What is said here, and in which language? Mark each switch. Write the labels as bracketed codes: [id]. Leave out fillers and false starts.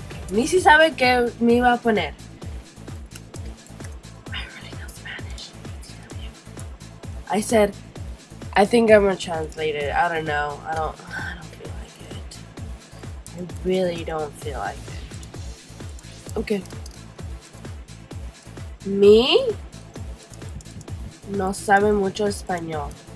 [es] Ni si sabe qué me iba a poner. [en] I really know Spanish. I said, I think I'm gonna translate it. I don't know. I don't feel like it. I really don't feel like it. Okay. [es] Me no sabe mucho español.